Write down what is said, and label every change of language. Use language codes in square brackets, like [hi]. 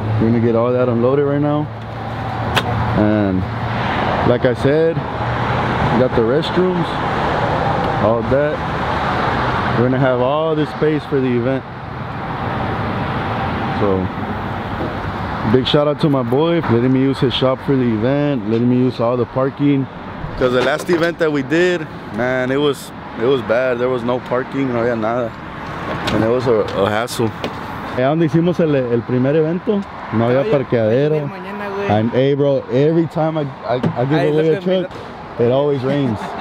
[en] We're gonna get all that unloaded right now. And like I said, we got the restrooms, all that. We're gonna have all this space for the event. So, big shout out to my boy, letting me use his shop for the event, letting me use all the parking. Cause the last event that we did, man, it was bad. There was no parking, [es] no había nada. [en] And it was a hassle. [es] Donde hicimos el primer evento, no había parqueadero. [en] And hey, bro, every time I give away a truck, it always rains.